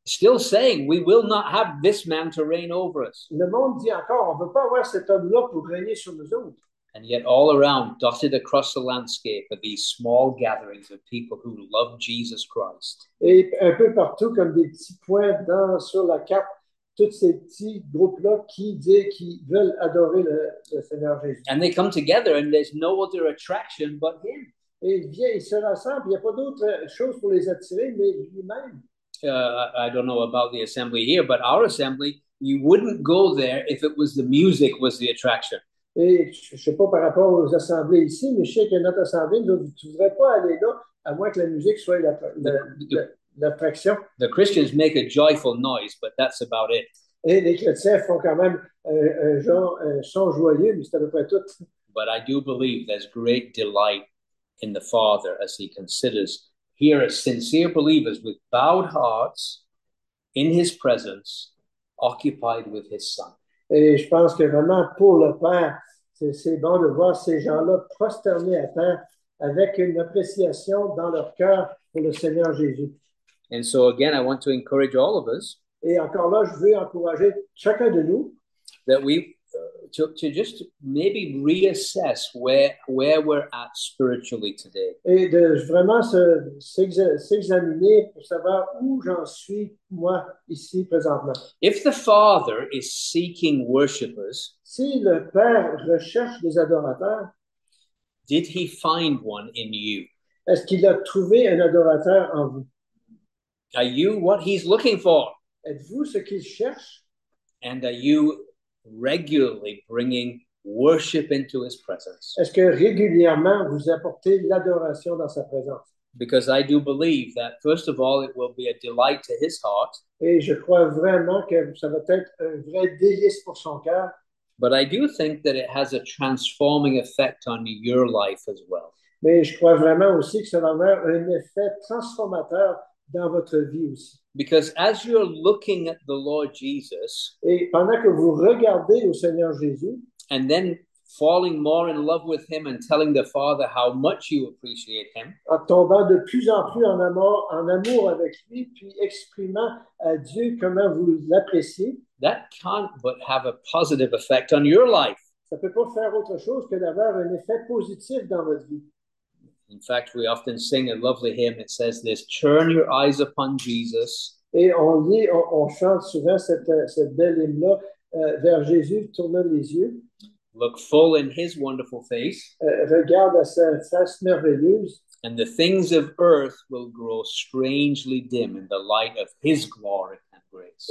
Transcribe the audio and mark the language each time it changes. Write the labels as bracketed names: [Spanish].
[English] Still saying, we will not have this man to reign over us. [French] Le monde dit encore, on ne veut pas avoir cet homme-là pour régner sur nous autres. [English] And yet all around, dotted across the landscape, are these small gatherings of people who love Jesus Christ. [French] Et un peu partout, comme des petits points sur la carte, tous ces petits groupes-là qui veulent adorer le Seigneur Jésus. [English] And they come together and there's no other attraction but him. [French] Et ils se rassemblent, il n'y a pas d'autre chose pour les attirer, mais lui-même. [English] I don't know about the assembly here, but our assembly, you wouldn't go there if it was the music was the attraction. [French] Et je ne sais pas par rapport aux assemblées ici, mais je sais que notre assemblée, tu ne voudrais pas aller là, à moins que la musique soit l'attraction. [English] The Christians make a joyful noise, but that's about it. [French] Et les chrétiens font quand même un son joyeux, mais c'est à peu près tout. [English] But I do believe there's great delight in the Father as he considers here as sincere believers with bowed hearts in his presence, occupied with his son. [French] Et je pense que vraiment pour le Père, c'est bon de voir ces gens-là prosternés à terre avec une appréciation dans leur cœur pour le Seigneur Jésus. [English] And so again, I want to encourage all of us. [French] Et encore là, je veux encourager chacun de nous. [English] That we to just maybe reassess where we're at spiritually today. [French] Et de vraiment s'examiner pour savoir où j'en suis moi ici présentement. [English] If the Father is seeking worshippers, [French] si le Père recherche des adorateurs, [English] Did he find one in you? [French] Est-ce qu'il a trouvé un adorateur en vous? [English] Are you what he's looking for? [French] Êtes-vous ce qu'il cherche? [English] And are you regularly bringing worship into his presence? [French] Est-ce que régulièrement vous apportez l'adoration dans sa présence? [English] Because I do believe that, first of all, it will be a delight to his heart. [French] Et je crois vraiment que ça va être un vrai délice pour son cœur. [English] But I do think that it has a transforming effect on your life as well. [French] Mais je crois vraiment aussi que ça va avoir un effet transformateur dans votre vie aussi. [English] Because as you're looking at the Lord Jesus, [French] et pendant que vous regardez au Seigneur Jésus, [English] and then falling more in love with him and telling the Father how much you appreciate him, [French] en tombant de plus en plus en amour avec lui, puis exprimant à Dieu comment vous l'appréciez, [English] that can't but have a positive effect on your life. [French] Ça ne peut pas faire autre chose que d'avoir un effet positif dans votre vie. [English] In fact, we often sing a lovely hymn. It says this, turn your eyes upon Jesus. [French] Et on chante souvent cette belle hymne-là, vers Jésus, tournant les yeux. [English] Look full in his wonderful face. [French] Regarde à sa face merveilleuse. [English] And the things of earth will grow strangely dim in the light of his glory and grace.